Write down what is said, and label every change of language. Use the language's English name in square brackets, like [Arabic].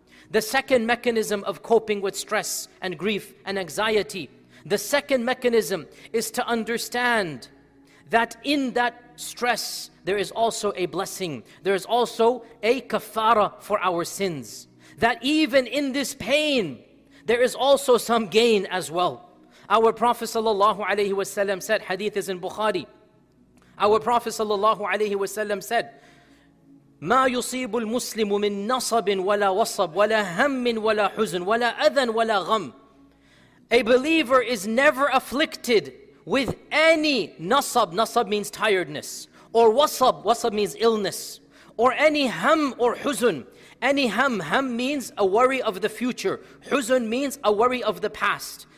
[English] The second mechanism of coping with stress and grief and anxiety, the second mechanism is to understand that in that stress, there is also a blessing. There is also a kafara for our sins. That even in this pain, there is also some gain as well. Our Prophet sallallahu alayhi wa sallam said, hadith is in Bukhari. Our Prophet sallallahu alayhi wa sallam said, [Arabic] ما يصيب المسلم من نصب ولا وصب ولا هم ولا حزن ولا أذى ولا غم. [English] A believer is never afflicted with any nasab. Nasab means tiredness. Or wasab. Wasab means illness. Or any ham or huzun. Any ham. Ham means a worry of the future. Huzun means a worry of the past.